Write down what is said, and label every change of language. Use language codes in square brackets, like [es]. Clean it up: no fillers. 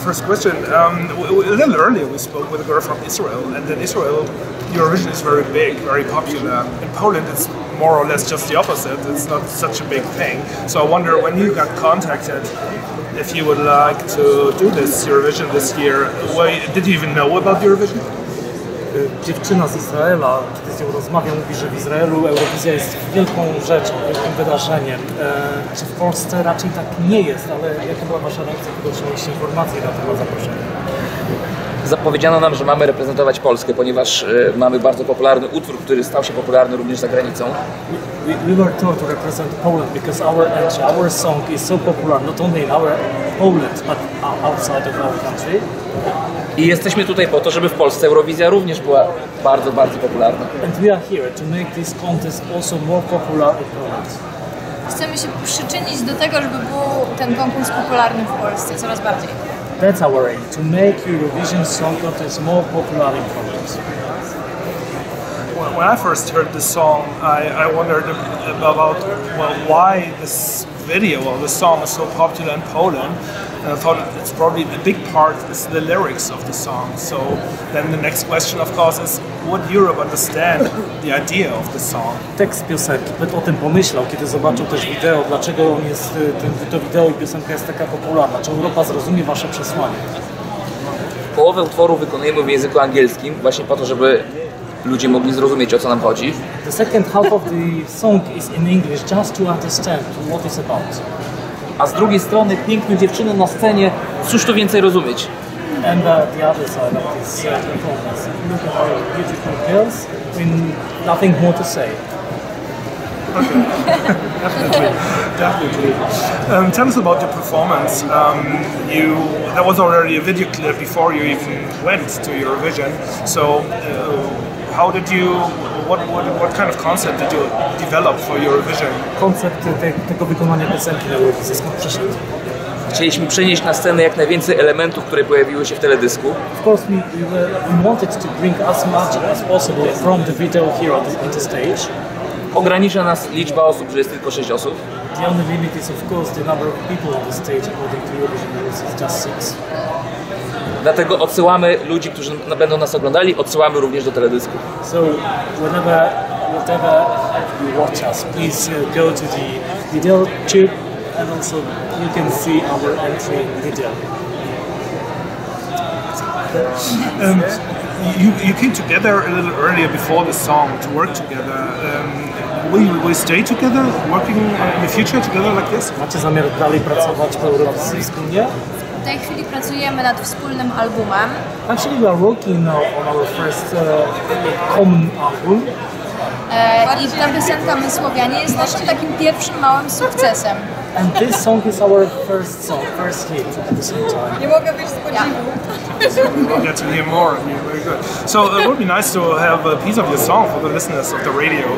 [en] First question, a little earlier we spoke with a girl from Israel, and in Israel Eurovision is very big, very popular. In Poland it's more or less just the opposite, it's not such a big thing. So I wonder, when you got contacted, if you would like to do this Eurovision this year, did you even know about Eurovision? [pl] Dziewczyna z Izraela, kiedy z nią rozmawiam, mówi, że w Izraelu Eurowizja jest wielką rzeczą, wielkim wydarzeniem. Czy w Polsce raczej tak nie jest, ale jaka była wasza reakcja, kiedy otrzymaliście informacje na temat zaproszenia? Zapowiedziano nam, że mamy reprezentować Polskę, ponieważ mamy bardzo popularny utwór, który stał się popularny również za granicą. [en] We were told to represent Poland because our song is so popular, not only in our Poland, but outside of our country. [pl] I jesteśmy tutaj po to, żeby w Polsce Eurowizja również była bardzo, bardzo popularna. [en] And we are here to make this contest also more popular in Poland. [pl] Chcemy się przyczynić do tego, żeby był ten konkurs popularny w Polsce coraz bardziej. [en] That's our aim, to make Eurovision Song Contest more popular in Poland. Well, when I first heard the song, I wondered about why this video or the song is so popular in Poland. And I thought it's probably a big part is the lyrics of the song. So then the next question, of course, is would Europe understand the idea of the song? [pl] Tekst piosenki, Pet o tym pomyślał, kiedy zobaczył też wideo, dlaczego on jest, to wideo i piosenka jest taka popularna. Czy Europa zrozumie wasze przesłanie? Połowę utworu wykonujemy w języku angielskim, właśnie po to, żeby ludzie mogli zrozumieć, o co nam chodzi. [en] The second half of the song is in English, just to understand what it's about. [pl] A z drugiej strony piękne dziewczyny na scenie, cóż tu więcej rozumieć? [en] And the other side of this performance. Look at our beautiful girls, with nothing more to say. Definitely. Tell us about your performance. There was already a video clip before you even went to Eurovision. So how did you... What kind of concept did you develop for Eurovision? [pl] Koncept tego wykonania piosenki na Eurovision, skąd przyszedł? Chcieliśmy przenieść na scenę jak najwięcej elementów, które pojawiły się w teledysku. [en] Of course, we wanted to bring as much as possible from the video here on the stage. [pl] Ogranicza nas liczba osób, że jest tylko 6 osób. [en] The only limit is, of course, the number of people on the stage according to Eurovision is just 6. [pl] Dlatego odsyłamy ludzi, którzy będą nas oglądali, odsyłamy również do teledysku. [en] So, whenever you watch us, please go to the video tube and also you can see our entry video. You came together a little earlier before the song to work together. Will we stay together, working in the future together like this? [pl] Macie zamiar dalej pracować po Eurowizji wspólnie? W tej chwili pracujemy nad wspólnym albumem. [en] Actually, we are working on our first common album. [pl] I ta piosenka My Słowianie jest naszym takim pierwszym małym sukcesem. [en] And this song is our first song, first hit at the same time. [pl] Nie mogę być z podziwu. [en] We'll get to hear more. Very good. So it would be nice to have a piece of your song for the listeners of the radio.